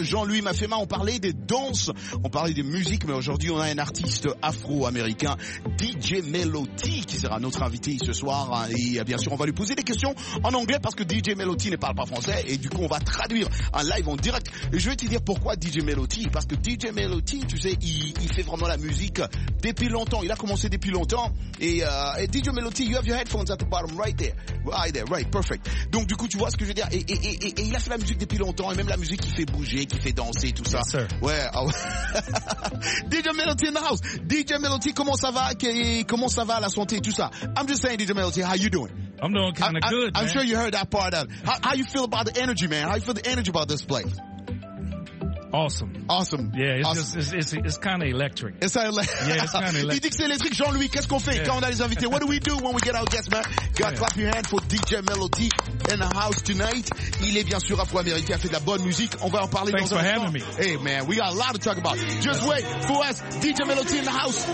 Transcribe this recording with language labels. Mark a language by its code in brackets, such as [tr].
[fr] Jean-Louis Mafema, on parlait des danses, on parlait des musiques, mais aujourd'hui on a un artiste afro-américain, DJ Melody, qui sera notre invité ce soir. Et bien sûr, on va lui poser des questions en anglais parce que DJ Melody ne parle pas français. Et du coup, on va traduire un live en direct. Et je vais te dire pourquoi DJ Melody. Parce que DJ Melody, tu sais, il fait vraiment la musique depuis longtemps. Il a commencé depuis longtemps. [en] Et DJ Melody, you have your headphones at the bottom, right there. Right there, right, perfect. [fr] Donc du coup, tu vois ce que je veux dire. Et il a fait la musique depuis longtemps, et même la musique qui fait bouger, qui fait danser, tout ça. [en] Yes, sir. Ouais. Oh. DJ Melody in the house. DJ Melody, [fr] comment ça va? Comment ça va, la santé, tout ça? [en] I'm just saying, DJ Melody, how you doing? I'm doing kind of good, man. I'm sure you heard that part of it. How you feel about the energy, man? How you feel the energy about this place? Awesome. Yeah, it's kind of electric. It's kind of electric. [fr] Il dit que c'est électrique. Jean-Louis, qu'est-ce qu'on fait quand on a les invités? [en] What do we do when we get our guests, man? God, clap your hand for DJ Melody in the house tonight. [fr] Il est bien sûr afro-américain, fait de la bonne musique. On va en parler dans un moment. [en] Thanks for having me. Hey, man, we got a lot to talk about. Just wait for us, DJ Melody in the house.